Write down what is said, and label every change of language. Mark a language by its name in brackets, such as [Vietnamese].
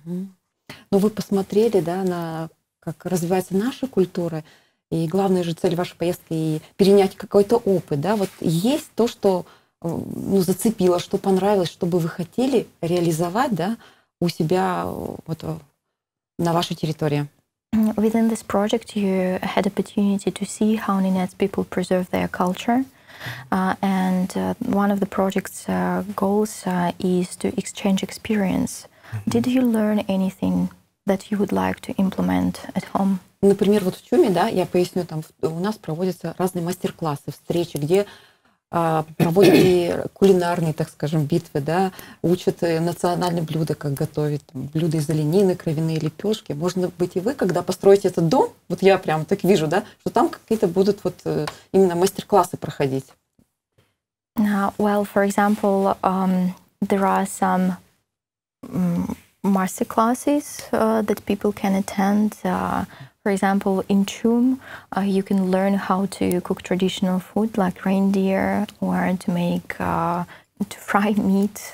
[Russian] Ну, вы посмотрели, да, на как развивается наша культура, и главная же цель вашей поездки — и перенять какой-то опыт, да? Вот есть то, что, ну, зацепило, что понравилось, что бы вы хотели реализовать, да, у себя вот на вашей территории? [English] Within this project you had opportunity to see how Nenets people preserve their culture. And one of the project's goals is to exchange experience. Did you learn anything that you would like to implement at home? [Russian] Например, вот в Чуме, да, я поясню, там у нас проводятся разные мастер-классы, встречи, где проводят и кулинарные, так скажем, битвы, да, учат национальные блюда, как готовить блюда из оленины, кровяные лепешки. Может быть, и вы, когда построите этот дом, вот я прям так вижу, да, что там какие-то будут вот именно мастер-классы проходить. [English] Well, for example, there are some master classes that people can attend. For example, in Chum, you can learn how to cook traditional food like reindeer or to make to fry meat.